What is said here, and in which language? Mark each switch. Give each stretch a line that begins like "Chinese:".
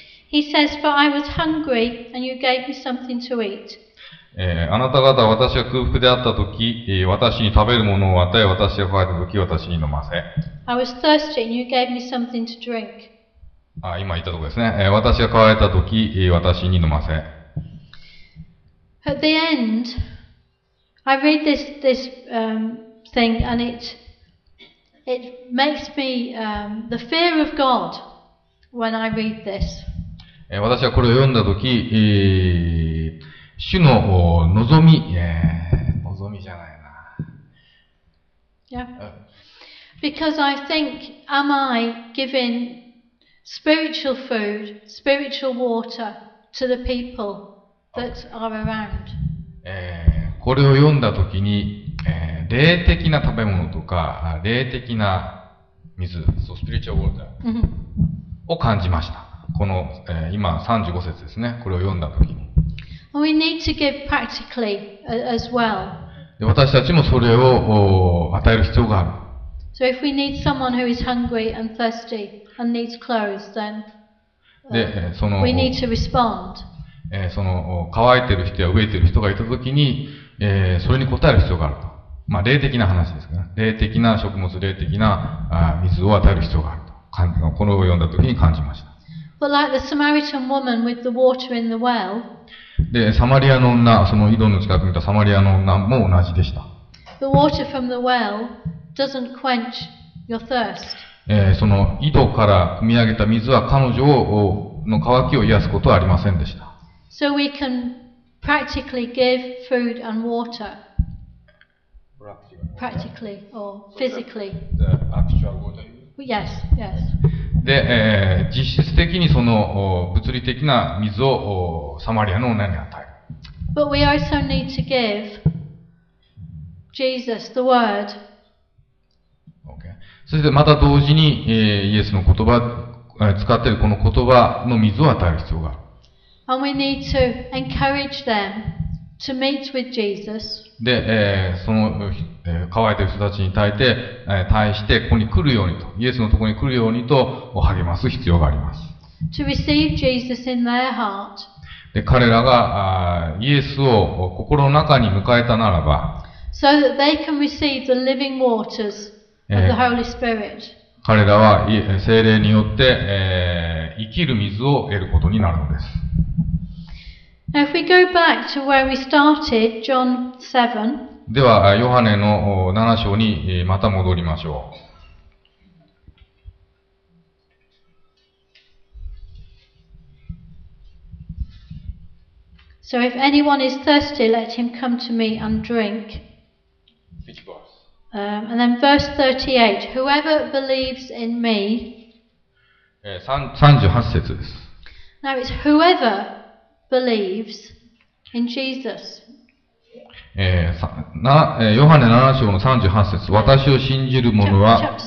English: He says, for I was hungry and you gave me something to eat.
Japanese: あなた方は私が空腹であったとき、私に食べるものを与え、私が渇いたとき、私に飲ませ。
English: I was thirsty and you gave me something to drink.
Japanese: 今言ったところですね。私が渇いたとき、私に飲ませ。
English: At the end, I read this thing and it makes me the fear of God when I read this.
Japanese: 私はこれを読んだとき、主の望み、望みじゃないな。
English: Yeah. Because I think, am I giving spiritual food, spiritual water to the people that are around?
Japanese: これを読んだときに、霊的な食べ物とか、霊的な水、そう、
English: spiritual water
Japanese: を感じました。この、今35節ですね。これを読んだときに。
English: We need to give practically as well.
Japanese: で、私たちもそれを与える必要がある。
English: So if we need someone who is hungry and thirsty and needs clothes, then we need to respond.
Japanese: その乾いてる人や飢えてる人がいたときに、それに応える必要があると。まあ、霊的な話ですから、ね、霊的な食物、霊的な水を与える必要があると。このを読んだときに感じました。
English: But like the Samaritan woman with the water in the well,
Japanese: で、サマリアの女、その井戸の近くにいたサマリアの女も同じでした。
English: The water from the well doesn't quench your thirst.
Japanese: その井戸から汲み上げた水は彼女の渇きを癒すことはありませんでした。
English: So we can practically give food and water. Practically or physically. The actual water. Yes, yes.
Japanese: で、実質的にその物理的な水をサマリアの女に与える。
English: But we also need to give Jesus the word. Okay.
Japanese: そしてまた同時に、イエスの言葉、使っているこの言葉の水を与える必要がある。
English: And we need to encourage them to meet with Jesus.
Japanese: で、その、乾いている人たちに対してここに来るようにと、イエスのところに来るようにと励ます必要があります。
English: To receive Jesus in their heart.
Japanese: で、彼らがイエスを心の中に迎えたならば、
English: So that they can receive the living waters of the Holy Spirit.
Japanese: 彼らは聖霊によって、生きる水を得ることになるのです。
English: Now if we go back to where we started, John 7.
Japanese: では、ヨハネの7章にまた戻りましょう。
English: So if anyone is thirsty, let him come to me and drink. And then verse 38, whoever believes in me.
Japanese: 38節です。
English: Now it's whoever believes in Jesus.
Japanese: ヨハネ7章の38節、私を信じる者は、